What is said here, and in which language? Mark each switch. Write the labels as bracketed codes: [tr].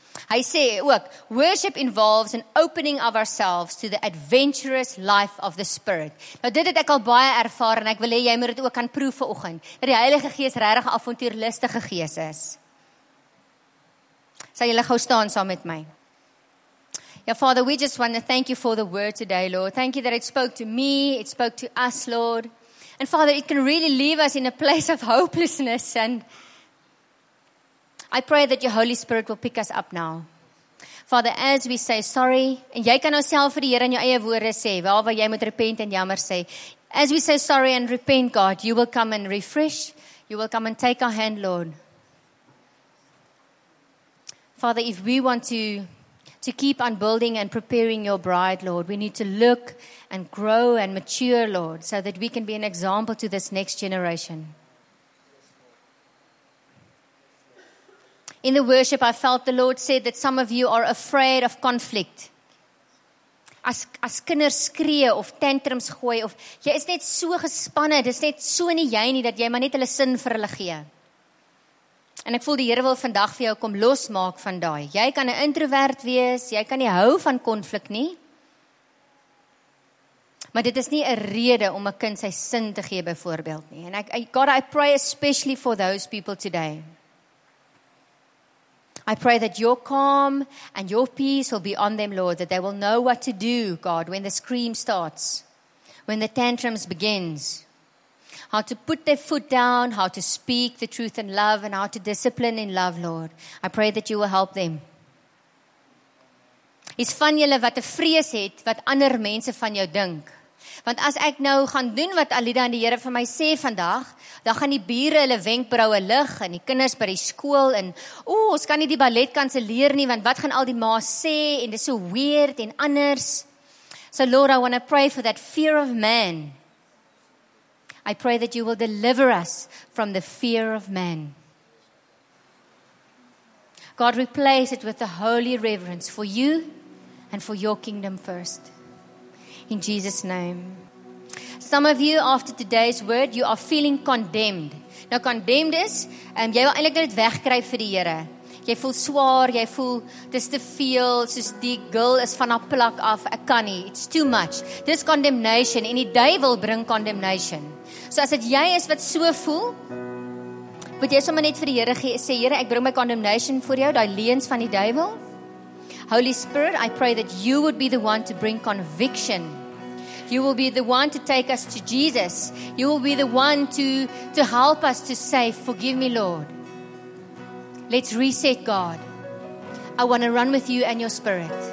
[af] Hy sê ook, [en] worship involves an opening of ourselves to the adventurous life of the spirit. [af] Nou dit het ek al baie ervaar en ek wil hê jy moet dit ook kan proef vanoggend. Dat die Heilige Gees regtig 'n avontuurlustige gees is. Sal julle gou staan saam met my? [en] Yeah, Father, we just want to thank you for the word today, Lord. Thank you that it spoke to me, it spoke to us, Lord. And Father, it can really leave us in a place of hopelessness. And I pray that your Holy Spirit will pick us up now. Father, as we say sorry, and [af] jy kan nou self vir die Here in jou eie woorde sê, wel waar jy moet repent en jammer sê. [en] As we say sorry and repent, God, you will come and refresh. You will come and take our hand, Lord. Father, if we want to keep on building and preparing your bride, Lord. We need to look and grow and mature, Lord, so that we can be an example to this next generation. In the worship, I felt the Lord said that some of you are afraid of conflict. [af] As kinders skree of tantrums gooi, of jy is net so gespanne, dis net so nie jy nie, dat jy maar net hulle sin vir hulle gee. En ek voel die Here wil vandag vir jou kom losmaak van daai. Jy kan 'n introvert wees, jy kan nie hou van konflik nie. Maar dit is nie 'n rede om 'n kind sy sin te gee byvoorbeeld nie. [en] En God, I pray especially for those people today. I pray that your calm and your peace will be on them, Lord, that they will know what to do, God, when the scream starts, when the tantrums begins. How to put their foot down, how to speak the truth in love, and how to discipline in love, Lord. I pray that you will help them. [af] Is van julle wat 'n vrees het, wat ander mense van jou dink. Want as ek nou gaan doen wat Alida en die Here vir my sê vandag, dan gaan die bure hulle wenkbroue lig, en die kinders by die skool, en ons kan nie die ballet kanselleer nie, want wat gaan al die ma's sê, en dis so weird en anders. [en] So Lord, I want to pray for that fear of man. I pray that you will deliver us from the fear of man. God, replace it with the holy reverence for you and for your kingdom first. In Jesus' name. Some of you, after today's word, you are feeling condemned. Now, condemned is, [af] jy wil eintlik dit wegkry vir die Here. Jy voel swaar, jy voel, dis te veel, soos die girl is van haar plak af, ek kan nie, [en] it's too much. [af] Dis condemnation, en die duivel bring condemnation. So as dit jy is wat so voel, moet jy sommer net vir die Here sê, Here, ek bring my condemnation voor jou, die leens van die duivel. [en] Holy Spirit, I pray that you would be the one to bring conviction. You will be the one to take us to Jesus. You will be the one to help us to say, forgive me, Lord. Let's reset, God. I want to run with you and your Spirit.